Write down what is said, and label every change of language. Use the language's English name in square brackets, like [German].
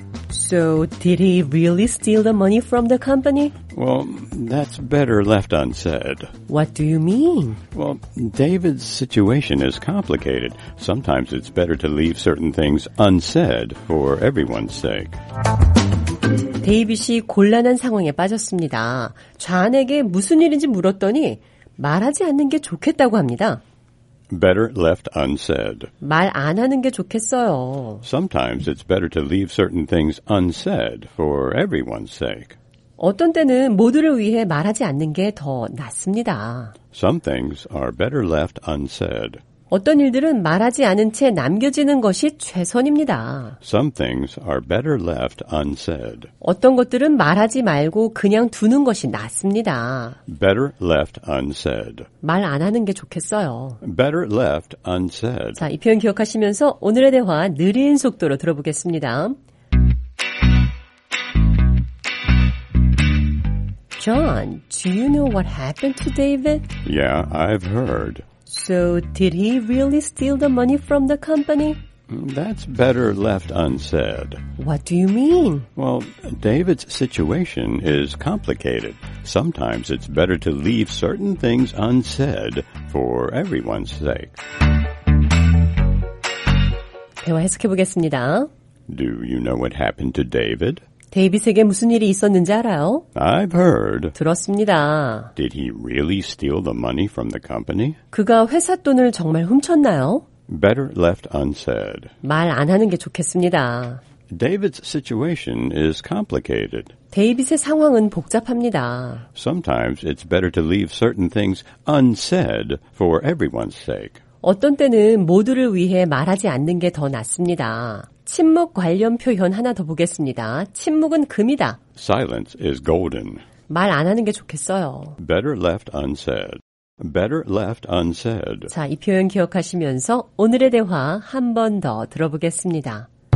[English] So, did he really steal the money from the company? Well, that's better left unsaid. What do you mean? Well, David's situation is complicated. Sometimes it's better to leave certain things unsaid for everyone's sake. [Korean] 데이빗이 곤란한 상황에 빠졌습니다. 존에게 무슨 일인지 물었더니 말하지 않는 게 좋겠다고 합니다. [English] Better left unsaid. [Korean] 말 안 하는 게 좋겠어요. [English] Sometimes it's better to leave certain things unsaid for everyone's sake. [Korean] 어떤 때는 모두를 위해 말하지 않는 게 더 낫습니다. [English] Some things are better left unsaid. [Korean] 어떤 일들은 말하지 않은 채 남겨지는 것이 최선입니다. [English] Some things are better left unsaid. [Korean] 어떤 것들은 말하지 말고 그냥 두는 것이 낫습니다. [English] Better left unsaid. [Korean] 말 안 하는 게 좋겠어요. [English] Better left unsaid. [Korean] 자, 이 표현 기억하시면서 오늘의 대화 느린 속도로 들어보겠습니다. [English] John, do you know what happened to David? Yeah, I've heard. So, did he really steal the money from the company? That's better left unsaid. What do you mean? Well, David's situation is complicated. Sometimes it's better to leave certain things unsaid for everyone's sake. [Korean] 대화 해석해 보겠습니다. [English] Do you know what happened to David? [Korean] 데이빗에게 무슨 일이 있었는지 알아요? [English] I've heard. [Korean] 들었습니다. [English] Did he really steal the money from the company? [Korean] 그가 회사 돈을 정말 훔쳤나요? [English] Better left unsaid. [Korean] 말 안 하는 게 좋겠습니다. [English] David's situation is complicated. [Korean] 데이빗의 상황은 복잡합니다. [English] Sometimes it's better to leave certain things unsaid for everyone's sake. [Korean] 어떤 때는 모두를 위해 말하지 않는 게 더 낫습니다. 침묵 관련 표현 하나 더 보겠습니다. 침묵은 금이다. [English] Silence is golden. [Korean] 말 안 하는 게 좋겠어요. [English] Better left unsaid. Better left unsaid. [Korean] 자, 이 표현 기억하시면서 오늘의 대화 한 번 더 들어보겠습니다.